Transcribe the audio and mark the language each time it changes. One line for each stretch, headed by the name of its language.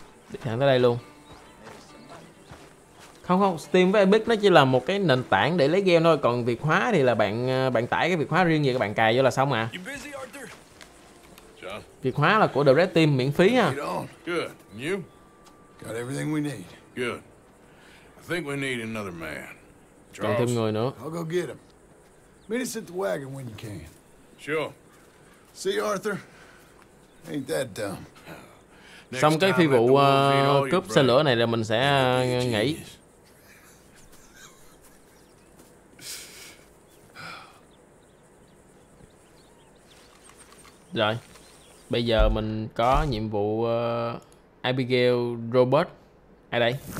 Vietnamese: Đi thẳng tới đây luôn. Không, Steam với Epic nó chỉ là một cái nền tảng để lấy game thôi. Còn việc hóa thì là bạn tải cái việc hóa riêng gì các bạn cài vô là xong mà. Việc hóa là của The Red Team miễn phí ha.
English: Good. And you? Got everything we need. Good. I think we need another man.
Vietnamese: Charles. Còn thêm người nữa.
English: I'll go get him. Meet us at the wagon when you can. Sure. See you, Arthur. Ain't that dumb.
Vietnamese: Xong cái phi vụ cướp xe lửa này là mình sẽ nghỉ. Rồi. Bây giờ mình có nhiệm vụ Abigail Robert. Ai đây?